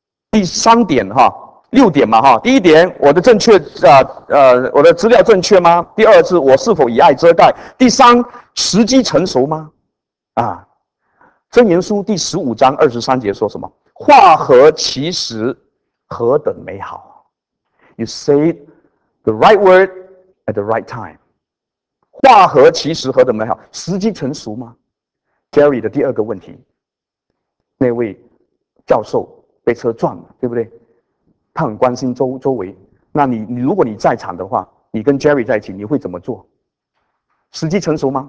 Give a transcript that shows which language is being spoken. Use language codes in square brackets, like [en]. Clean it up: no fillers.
[zh] 第三点哈。六点嘛，哈，第一点，我的正确我的资料正确吗？第二是，我是否以爱遮盖？第三，时机成熟吗？啊，箴言书第十五章二十三节说什么？化合其实，何等美好 [en] ！You say the right word at the right time。 [zh] 化合其实，何等美好？时机成熟吗 ？Gary 的第二个问题，那位教授被车撞了，对不对？他很关心周围，那你如果你在场的话，你跟 Jerry 在一起，你会怎么做？时机成熟吗？